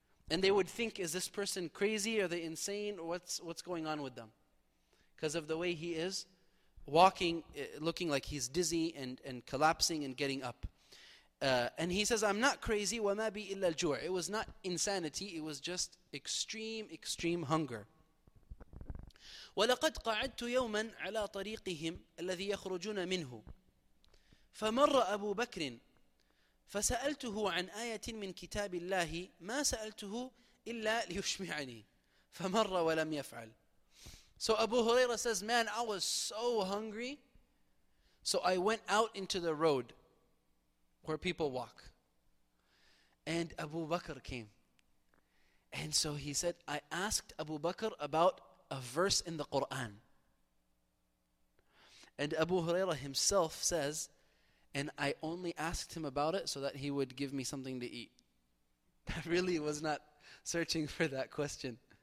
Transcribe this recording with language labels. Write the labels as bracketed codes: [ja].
[en] And they would think, is this person crazy? Are they insane? What's going on with them? Because of the way he is walking, looking like he's dizzy and collapsing and getting up. And he says, I'm not crazy. [ar] وَمَا بِي إِلَّا الْجُوعِ [en] It was not insanity. It was just extreme, extreme hunger. [ar] وَلَقَدْ قَعَدْتُ يَوْمًا عَلَىٰ طَرِيقِهِمْ الَّذِي يَخْرُجُونَ مِنْهُ فَمَرَّ أَبُو بَكْرٍ فَسَأَلْتُهُ عَنْ آيَةٍ مِنْ كِتَابِ اللَّهِ مَا سَأَلْتُهُ إِلَّا لِيُشْمِعَنِي فَمَرَّ وَلَمْ يَفْعَلْ [en] So Abu Huraira says, man, I was so hungry, so I went out into the road where people walk. And Abu Bakr came. And so he said, I asked Abu Bakr about a verse in the Quran. And Abu Huraira himself says, and I only asked him about it so that he would give me something to eat. I really was not searching for that question.